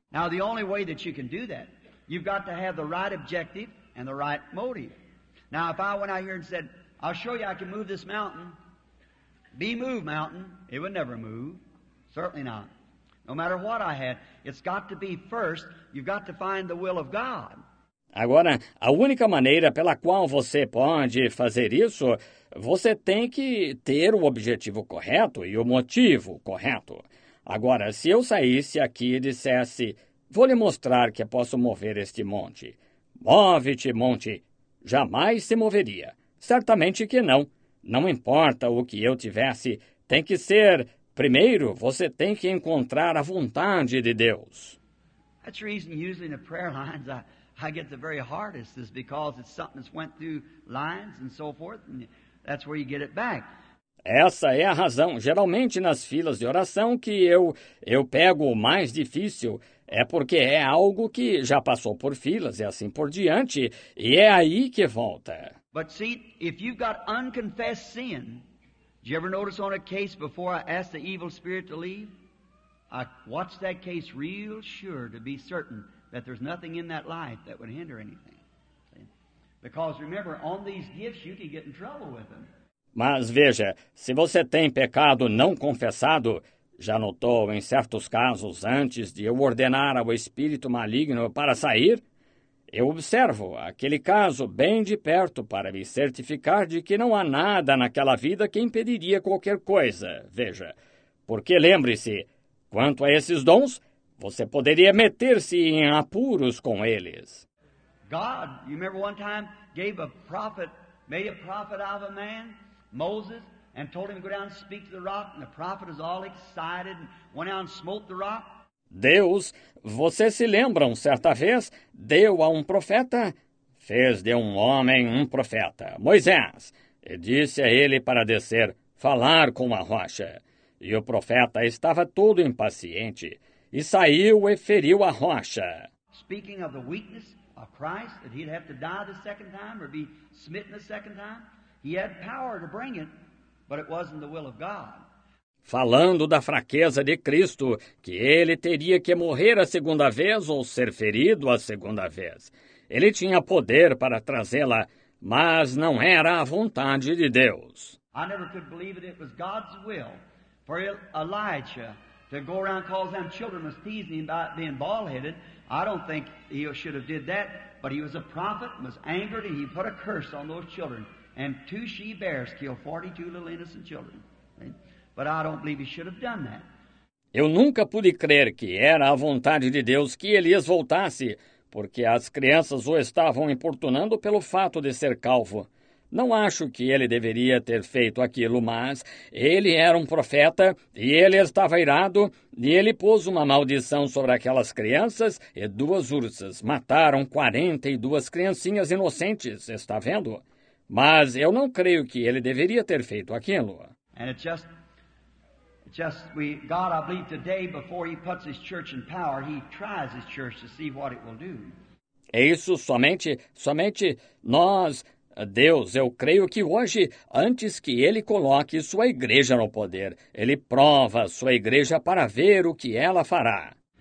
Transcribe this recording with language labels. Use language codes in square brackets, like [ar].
[en] Now, the only way that you can do that, you've got to have the right objective and the right motive. Now, if I went out here and said, I'll show you I can move this mountain, be moved, mountain, it would never move. Certainly not. No matter what I had, it's got to be first, you've got to find the will of God. [pt] Agora, a única maneira pela qual você pode fazer isso, você tem que ter o objetivo correto e o motivo correto. Agora, se eu saísse aqui e dissesse, vou lhe mostrar que posso mover este monte. Move-te, monte. Jamais se moveria. Certamente que não. Não importa o que eu tivesse, tem que ser. Primeiro, você tem que encontrar a vontade de Deus. [en] That's the reason usually the prayer lines I get the very hardest is because it's something that's went through lines and so forth, and that's where you get it back. [pt] Essa é a razão. Geralmente nas filas de oração que eu pego o mais difícil é porque é algo que já passou por filas e assim por diante, e é aí que volta. [en] But see, if you've got unconfessed sin, did you ever notice on a case before I asked the evil spirit to leave? I watched that case real sure to be certain that there's nothing in that life that would hinder anything. Because remember, on these gifts you can get in trouble with them. [pt] Mas veja, se você tem pecado não confessado, já notou em certos casos antes de eu ordenar ao espírito maligno para sair? Eu observo aquele caso bem de perto para me certificar de que não há nada naquela vida que impediria qualquer coisa, veja. Porque lembre-se, quanto a esses dons, você poderia meter-se em apuros com eles. [en] God, you remember one time, gave a prophet, made a prophet out of a man, Moses, and told him to go down and speak to the rock, and the prophet was all excited and went out and smote the rock. [pt] Deus, vocês se lembram, certa vez, deu a um profeta, fez de um homem um profeta, Moisés, e disse a ele para descer, falar com a rocha. E o profeta estava todo impaciente, e saiu e feriu a rocha. [en] Speaking of the weakness of Christ, that he'd have to die the second time, or be smitten the second time, he had power to bring it, but it wasn't the will of God. [pt] Falando da fraqueza de Cristo, que ele teria que morrer a segunda vez ou ser ferido a segunda vez. Ele tinha poder para trazê-la, mas não era a vontade de Deus. [en] I never could believe it. It was God's will for Elijah to go around calling them children was teasing him about being bald-headed. I don't think he should have did that, but he was a prophet and was angered and he put a curse on those children. And two she-bears killed 42 little innocent children. But I don't believe he should have done that. [pt] Eu nunca pude crer que era a vontade de Deus que Elias voltasse, porque as crianças o estavam importunando pelo fato de ser calvo. Não acho que ele deveria ter feito aquilo, mas ele era um profeta e ele estava irado e ele pôs uma maldição sobre aquelas crianças e duas ursas. Mataram 42 criancinhas inocentes, está vendo? Mas eu não creio que ele deveria ter feito aquilo. [en] And it just... God, I believe today, before he puts his church in power, he tries his church to see what it will do. [pt] É isso, somente nós, Deus, eu creio que hoje, antes que ele coloque sua igreja no poder, ele prova sua igreja para ver o que ela fará.